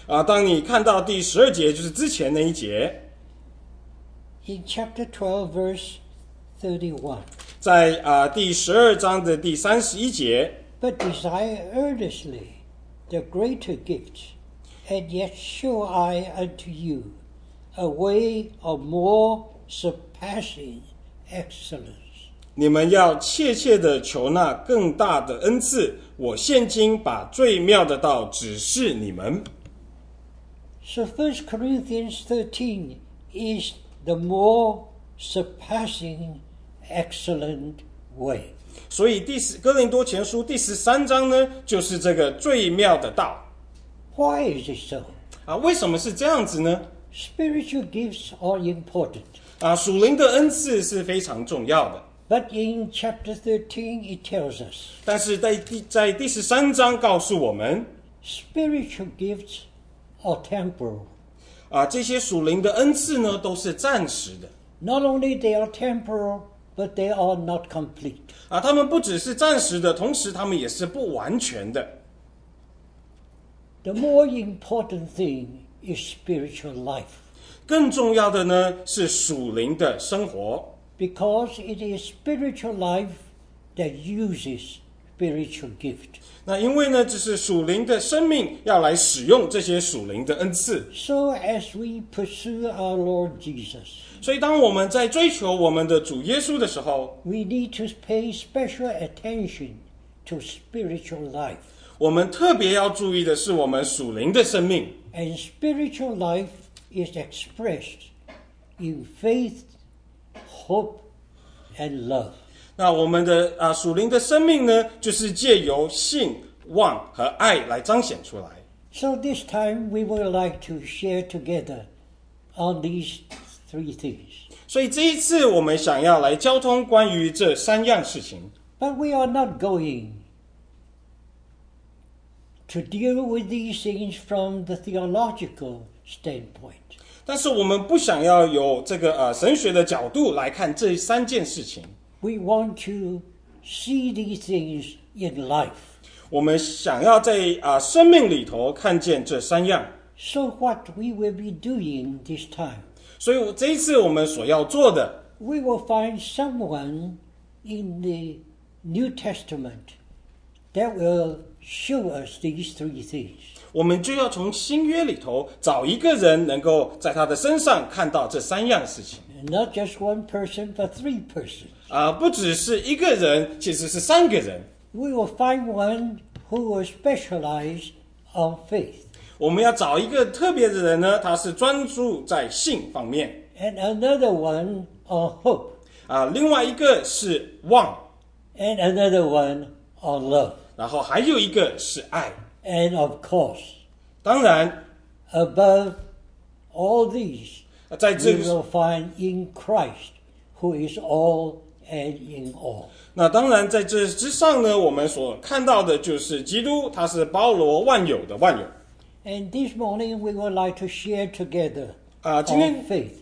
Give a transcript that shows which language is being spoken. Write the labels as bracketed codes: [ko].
[zh] 当你看到第十二节，就是之前那一节 [en] in chapter 12, verse 31, [zh] 在第十二章的第三十一节 [en] but desire earnestly,The greater gifts, and yet show I unto you a way of more surpassing excellence. [zh] 你们要切切地求那更大的恩赐，我现今把最妙的道指示你们。 [en] So 1 Corinthians 13 is the more surpassing excellent way. [zh] 所以哥林多前书第十三章呢就是这个最妙的道。 [en] Why is it so? [zh] 为什么是这样子呢? [en] Spiritual gifts are important. [zh] 属灵的恩赐是非常重要的。 [en] But in chapter 13 it tells us. [zh] 但是在第十三章告诉我们 [en] Spiritual gifts are temporal. [zh] 这些属灵的恩赐呢都是暂时的。 [en] Not only they are temporal,But they are not complete. [zh] 他们不只是暂时的，同时他们也是不完全的。 [en] The more important thing is spiritual life. [zh] 更重要的呢，是属灵的生活。 [en] Because it is spiritual life that uses spiritual gift. [zh] 那因为呢，这是属灵的生命要来使用这些属灵的恩赐。 [en] So as we pursue our Lord Jesus. [zh] 所以当我们在追求我们的主耶稣的时候 [en] We need to pay special attention to spiritual life. [zh] 我们特别要注意的是我们属灵的生命 [en] And spiritual life is expressed in faith, hope, and love. [zh] 那我们的属灵的生命呢就是借由信、望和爱来彰显出来 [en] So this time we would like to share together on these three things. [zh] 所以这一次我们想要来交通关于这三样事情。 [en] But we are not going to deal with these things from the theological standpoint. [zh] 但是我们不想要有这个神学的角度来看这三件事情。 [en] We want to see these things in life. [zh] 我们想要在生命里头看见这三样。 [en] So what we will be doing this time? [zh] 所以这一次我们所要做的。 [en] We will find someone in the New Testament that will show us these three things. [zh] 我们就要从新约里头找一个人能够在他的身上看到这三样事情。 [en] Not just one person, but three persons. [zh] 不只是一个人，其实是三个人。 [en] We will find one who will specialize on faith. [zh] 我们要找一个特别的人呢，他是专注在信方面。 [en] And another one on hope. [zh] 另外一个是望。 [en] And another one on love. [zh] 然后还有一个是爱。 [en] And of course, [zh] 当然 [en] above all these, [zh] 在这个、 [en] we will find in Christ, who is all and in all. [zh] 那当然在这之上呢，我们所看到的就是基督，他是包罗万有的万有。 [en] And this morning, we would like to share together on faith.